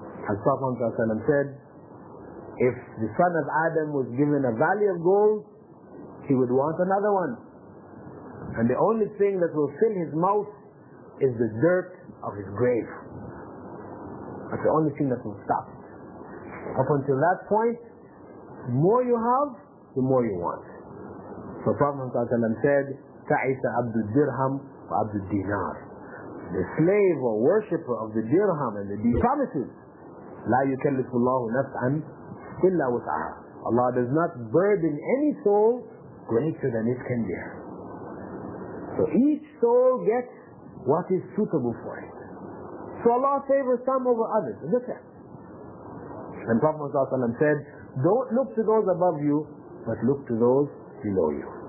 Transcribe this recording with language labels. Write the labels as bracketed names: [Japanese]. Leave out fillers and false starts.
[English] As Prophet ﷺ said, if the son of Adam was given a valley of gold, he would want another one. And the only thing that will fill his mouth is the dirt of his grave. That's the only thing that will stop. Up until that point, the more you have, the more you want. So Prophet ﷺ said, [Arabic] تَعِسَ عَبْدُ الدِّرْهَمْ وَعَبْدُ الدِّينَارِ. [English] The slave or worshipper of the dirham and the promises. [Arabic] لا يكلف الله نفسا إلا وسعها. [English] Allah does not burden any soul greater than it can bear. So each soul gets what is suitable for it. So Allah favors some over others. Look at it. And Prophet ﷺ said, don't look to those above you, but look to those below you.